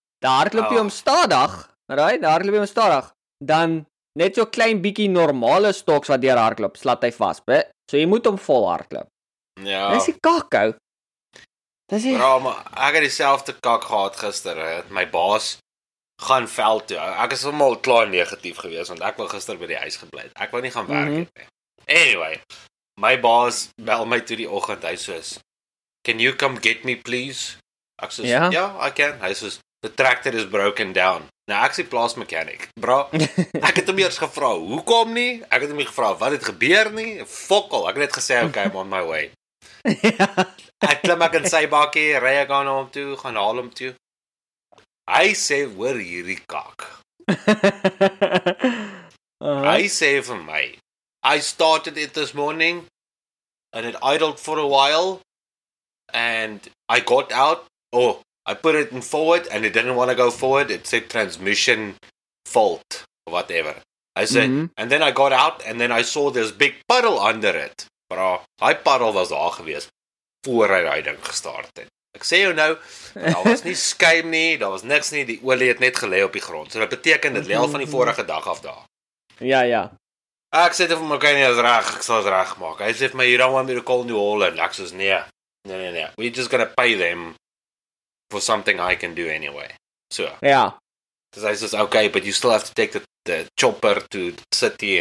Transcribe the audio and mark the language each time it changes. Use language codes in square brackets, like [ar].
[af] Daar hardloop jy om stadig, raai, daar hardloop jy om stadig. Dan net so klein bietjie normale stoks wat deur hardloop, slat hy vas, be. So jy moet hom vol hardloop. Ja. Dis die kak ou. Dis die... Bro, maar ek het dieselfde kak gehad gister, my baas gaan veld toe. Ek is almal klaar negatief gewees, want ek wou gister by die huis gebly het. Ek wou nie gaan werk het nie. Anyway, my baas bel my toe die oggend, hy soos, [en] "Can you come get me please?" [af] Ek soos, "Ja, [en] yeah, I can." [af] Hy soos, [en] "The tractor is broken down." [af] Nou, ek sê plaas mechanic. Bro, ek het hom eers gevra, "Hoekom nie?" Ek het hom gevra, "Wat het gebeur nie?" Fokkel, ek het net gesê, [en] "Okay, I'm on my way." [af] Ek klim ek in sy bakkie, ry ek aan hom toe, gaan haal hom toe. Hy sê, "Hoor hierdie kak." Hy sê vir my, [en] "I started it this morning and it idled for a while and I got out, oh, I put it in forward and it didn't want to go forward. It said transmission fault or whatever." I said, "And then I got out and then I saw this big puddle under it." [af] Bro, hy puddle was daar gewees voor hy die ding gestart het. Ek sê jou nou, daar was nie skuim nie, daar was niks nie, die olie het net gelê op die grond. So dit beteken dit lê al van die vorige dag af daar. Ja, ja. Ek sê dit vir my, "Okay, nie, dit is reg, ek sal dit reg maak." Hy sê vir my, [en] "You don't want me to call New Holland." [af] Ek sê, "Nee, nee, nee, nee. [en] We're just gonna pay them for something I can do anyway." So. [af] Ja. Dis hy sê, [en] "Okay, but you still have to take the chopper to the city."